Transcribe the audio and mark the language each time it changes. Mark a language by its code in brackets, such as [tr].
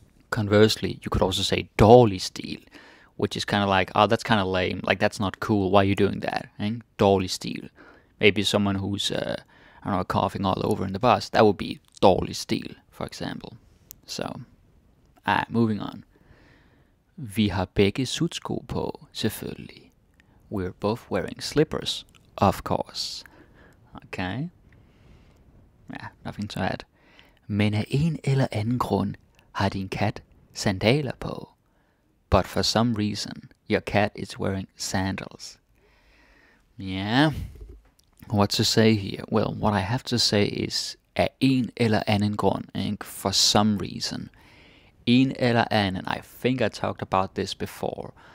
[en] Conversely, you could also say, [da] dårlig stil, [en] which is kind of like, oh, that's kind of lame, like, that's not cool, why are you doing that, eh? Dårlig stil. Maybe someone who's, I don't know, coughing all over in the bus, that would be dårlig stil, for example. So, moving on. [da] Vi har begge sutsko på, selvfølgelig. [en] We're both wearing slippers, of course. Okay. Yeah, nothing to add. [da] Men af en eller anden grund har din kat sandaler på. [en] But for some reason, your cat is wearing sandals. Yeah. What to say here? Well, what I have to say is [da] af en eller anden grund, [en] and for some reason. [da] En eller anden, [en] I think I talked about this before.